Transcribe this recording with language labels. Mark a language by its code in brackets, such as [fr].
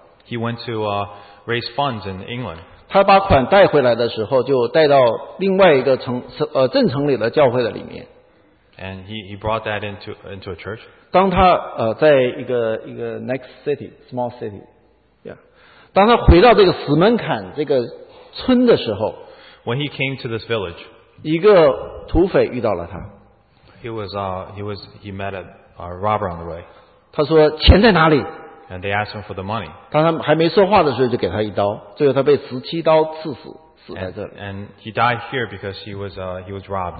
[en] He went to raise funds in England. [zh] 他把款带回来的时候，就带到另外一个城镇城里的教会的里面。 [en] And he brought that into a church. [zh] 当他在一个 [en] next city, small city, yeah. [zh] 当他回到这个石门槛这个村的时候， [en] when he came to this village, [zh] 一个土匪遇到了他。 [en] He met a robber on the way. [zh] 他说钱在哪里？ [en] And they asked him for the money. [zh] 当他还没说话的时候，就给他一刀， 最后他被17刀刺死，死在这里。 [en] And he died here because he was robbed.